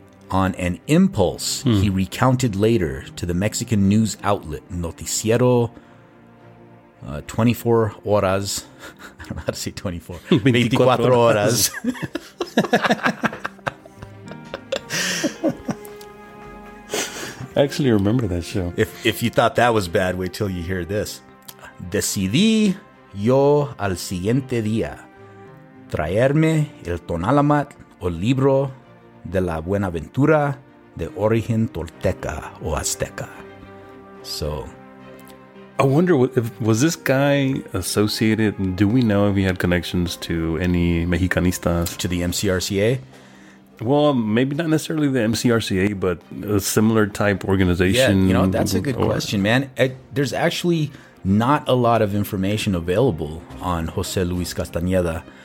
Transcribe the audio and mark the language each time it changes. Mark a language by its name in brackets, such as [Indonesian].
[English] On an impulse, he recounted later to the Mexican news outlet Noticiero 24 Horas. I don't know how to say 24. 24 Horas. I actually remember that show. If you thought that was bad, wait till you hear this. [Spanish] Decidí yo al siguiente día traerme el tonalamat o libro de la Buenaventura de origen Tolteca o Azteca. [English] So, I wonder, was this guy associated? Do we know if he had connections to any Mexicanistas? To the MCRCA? Well, maybe not necessarily the MCRCA, but a similar type organization. Yeah, you know, that's a good question, man. There's actually not a lot of information available on José Luis Castañeda.